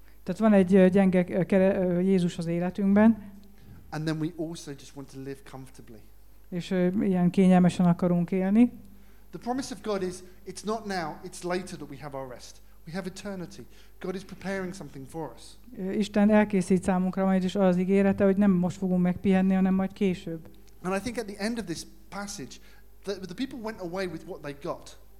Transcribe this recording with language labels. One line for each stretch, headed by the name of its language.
Hungarian: Tehát van egy gyenge Jézus az életünkben.
English: And then we also just want to live comfortably.
Hungarian: És ilyen kényelmesen akarunk élni.
English: The promise of God is, it's not now, it's later that we have our rest. We have eternity. God is preparing something for us.
Hungarian: Isten elkészít számunkra majd is az ígérete, hogy nem most fogunk megpihenni, hanem majd később.
English: And I think at the end of this passage, the people went away with what they got.